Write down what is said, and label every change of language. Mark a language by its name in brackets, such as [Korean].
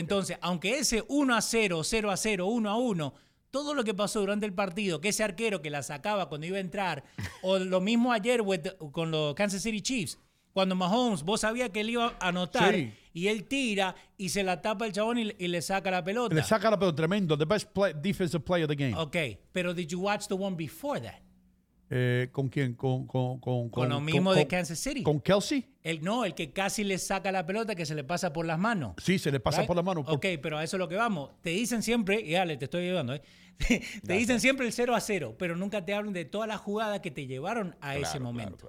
[Spanish] Entonces, aunque ese 1-0, 0-0, 1-1, todo lo que pasó durante el partido, que ese arquero que la sacaba cuando iba a entrar, o lo mismo ayer con los Kansas City Chiefs, cuando Mahomes, vos sabías que él iba a anotar, sí. Y él tira y se la tapa el chabón y le saca la pelota. Le saca la pelota, tremendo. [English] The best defensive player of the game. Okay, pero did you watch the one before that? [Spanish] ¿Con quién? Con lo mismo de Kansas City. ¿Con Kelsey? El que casi le saca la pelota, que se le pasa por las manos. Sí, se le pasa, right? Por las manos. Ok, pero a eso es lo que vamos. Te dicen siempre, y Ale, te estoy ayudando, ¿eh? Te dicen siempre el 0-0, pero nunca te hablan de todas las jugadas que te llevaron a ese momento.